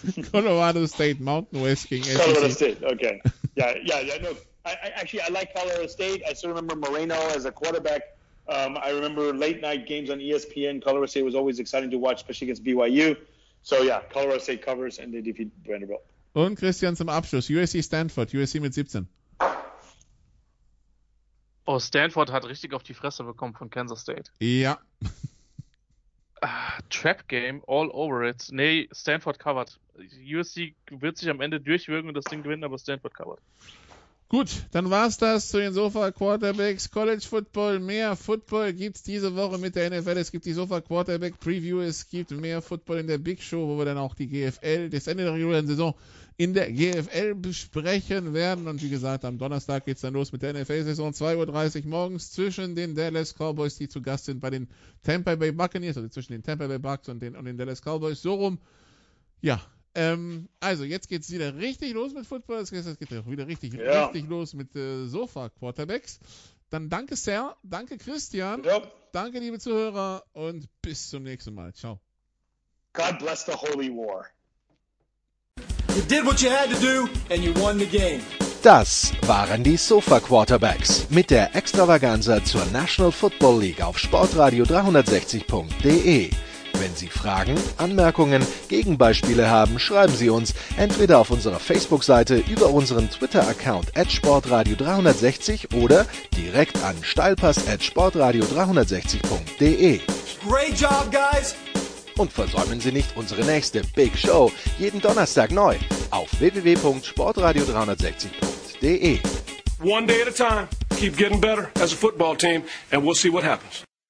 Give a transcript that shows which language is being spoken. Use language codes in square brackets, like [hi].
[en] Colorado State, Mountain West King. Colorado SEC. State, okay. I like Colorado State. I still remember Moreno as a quarterback. I remember late night games on ESPN. Colorado State was always exciting to watch, especially against BYU. So yeah, Colorado State covers and they defeat Vanderbilt. [de] Und Christian zum Abschluss, USC Stanford, USC mit 17. Oh, Stanford hat richtig auf die Fresse bekommen von Kansas State. Ja. [en] Trap Game, all over it. Nee, Stanford covered. [de] USC wird sich am Ende durchwürgen und das Ding gewinnen, aber Stanford covered. Gut, dann war's das zu den Sofa Quarterbacks. College Football, mehr Football gibt's diese Woche mit der NFL. Es gibt die Sofa Quarterback Preview. Es gibt mehr Football in der Big Show, wo wir dann auch die GFL, das Ende der regulären Saison in der GFL besprechen werden. Und wie gesagt, am Donnerstag geht's dann los mit der NFL-Saison. 2.30 Uhr morgens zwischen den Dallas Cowboys, die zu Gast sind bei den Tampa Bay Buccaneers, also zwischen den Tampa Bay Bucks und den Dallas Cowboys. So rum, ja. Also jetzt geht es wieder richtig los mit Football. Es geht auch wieder richtig, ja, richtig los mit Sofa-Quarterbacks. Dann danke sehr, danke Christian, ja, danke liebe Zuhörer und bis zum nächsten Mal. Ciao. [en] God bless the Holy War. You did what you had to do and you won the game. [de] Das waren die Sofa-Quarterbacks mit der Extravaganza zur National Football League auf sportradio360.de. Wenn Sie Fragen, Anmerkungen, Gegenbeispiele haben, schreiben Sie uns entweder auf unserer Facebook-Seite über unseren Twitter-Account @sportradio360 oder direkt an steilpass@sportradio360.de. [en] Great job, guys! [de] Und versäumen Sie nicht unsere nächste Big Show jeden Donnerstag neu auf www.sportradio360.de. [en] One day at a time. Keep getting better as a football team and we'll see what happens.